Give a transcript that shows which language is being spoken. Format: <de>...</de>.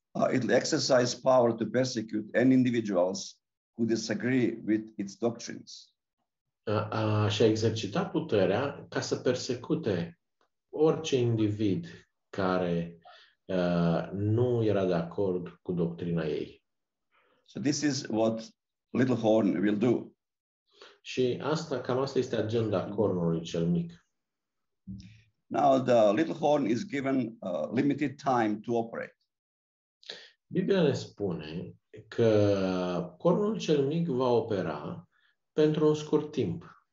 <en>It exercised power to persecute any individuals who disagree with its doctrines.</en> <ro>Și a exercitat puterea ca să persecute orice individ care nu era de acord cu doctrina ei.</ro> <en>So this is what Little Horn will do.</en> <ro>Și asta, cam asta este agenda Cornului cel mic.</ro> <en>Now the Little Horn is given a limited time to operate.</en> <ro>Biblia ne spune că Cornul cel mic va opera pentru un scurt timp.</ro>